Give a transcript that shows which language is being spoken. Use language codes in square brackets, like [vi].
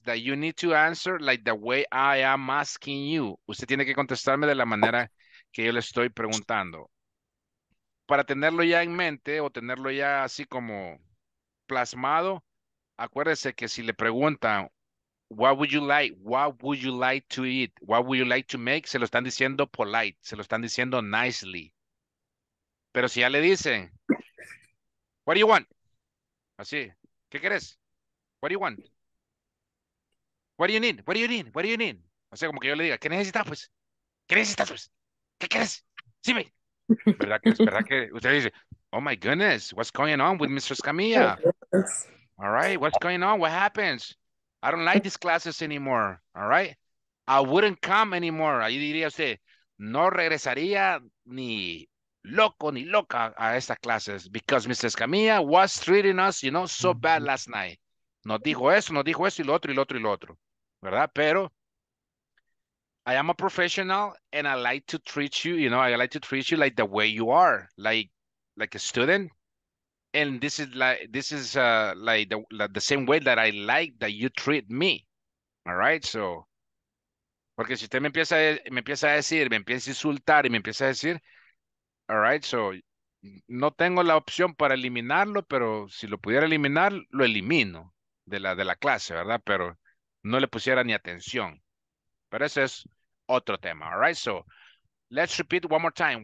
[en] That you need to answer like the way I am asking you. [es] Usted tiene que contestarme de la manera que yo le estoy preguntando. Para tenerlo ya en mente o tenerlo ya así como plasmado, acuérdese que si le preguntan, [en] What would you like to eat? What would you like to make? [es] Se lo están diciendo polite. Se lo están diciendo nicely. Pero si ya le dicen, [en] what do you want? [es] Así. ¿Qué quieres? [en] What do you want? What do you need? What do you need? What do you need? [es] O sea, como que yo le diga, ¿qué necesitas, pues? ¿Qué necesitas, pues? ¿Qué quieres? Dime. ¿Verdad que usted dice, [en] oh my goodness, what's going on with Mr. Escamilla? All right, what's going on? What happens? I don't like these classes anymore, all right? I wouldn't come anymore. [es] Ahí diría usted, no regresaría ni loco ni loca a estas clases [en] because Mrs. Escamilla was treating us, you know, so bad last night. [es] Nos dijo eso y lo otro, y lo otro, y lo otro, ¿verdad? [en] Pero I am a professional and I like to treat you, you know, I like to treat you like the way you are, like a student. And this is the same way that I like that you treat me, all right? [es] So, porque si usted me empieza a insultar, [en] all right? [es] So, no tengo la opción para eliminarlo, pero si lo pudiera eliminar, lo elimino de la clase, ¿verdad? Pero no le pusiera ni atención, [en] But this is [es] otro tema, [en] all right? So let's repeat one more time.